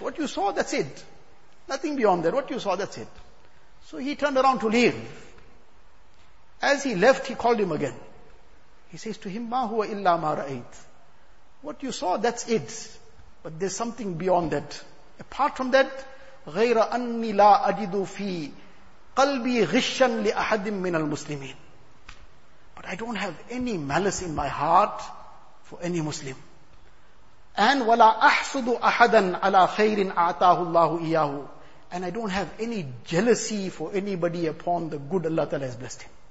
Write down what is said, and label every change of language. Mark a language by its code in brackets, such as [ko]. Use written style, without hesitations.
[en] What you saw, that's it. Nothing beyond that. What you saw, that's it. So he turned around to leave. As he left, he called him again. He says to him, [ar] Ma huwa illa ma ra'ayt. [en] What you saw, that's it. But there's something beyond that. Apart from that, [ar] غَيْرَ أَنِّي لَا أَجِدُ فِي قَلْبِي غِشًّا لِأَحَدٍ مِّنَ الْمُسْلِمِينَ. [en] But I don't have any malice in my heart for any Muslim. And [ar] وَلَا أَحْسُدُ أَحَدًا عَلَىٰ خَيْرٍ أَعْتَاهُ اللَّهُ إِيَّاهُ. [en] And I don't have any jealousy for anybody upon the good Allah Ta'ala has blessed him.